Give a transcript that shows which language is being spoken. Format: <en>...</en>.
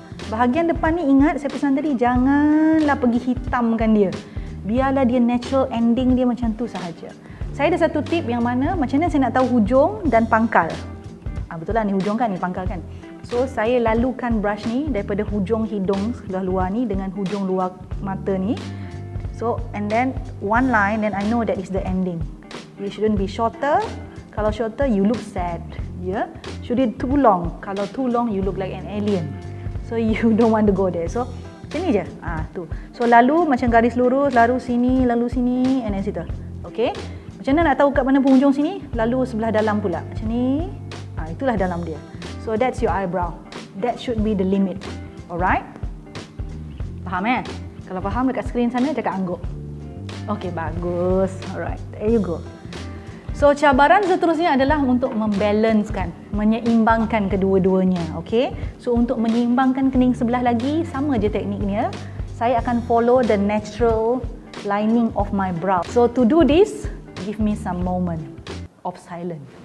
<ms>Bahagian depan ni ingat saya pesan tadi, janganlah pergi hitamkan dia. Biarlah dia natural ending dia macam tu sahaja. Saya ada satu tip yang mana, macam mana saya nak tahu hujung dan pangkal. Betul lah, ni hujung kan, ni pangkal kan. So, saya lalukan brush ni daripada hujung hidung sebelah luar ni dengan hujung luar mata ni.</ms> <en>So, and then one line, then I know that is the ending. You shouldn't be shorter. Kalau shorter, you look sad. Yeah? Should it too long? Kalau too long, you look like an alien. So, you don't want to go there. So,</en> <ms>sini je. Tu. So, lalu macam garis lurus, lalu sini,</ms> <en>and then</en> <ms>situ. Okay? Macam mana nak tahu kat mana penghujung sini? Lalu sebelah dalam pula. Macam ni. Itulah dalam dia.</ms> <en>So, that's your eyebrow. That should be the limit. Alright?</en> <ms>Faham eh? Kalau faham, dekat skrin sana, cakap angguk. Okay, bagus.</ms> <en>Alright, there you go.</en> <ms>So cabaran seterusnya adalah untuk membalancekan, menyeimbangkan kedua-duanya, okey. So untuk menyeimbangkan kening sebelah lagi, sama je tekniknya. Saya akan</ms> <en>follow the natural lining of my brow. So to do this, give me some moment of silence.</en>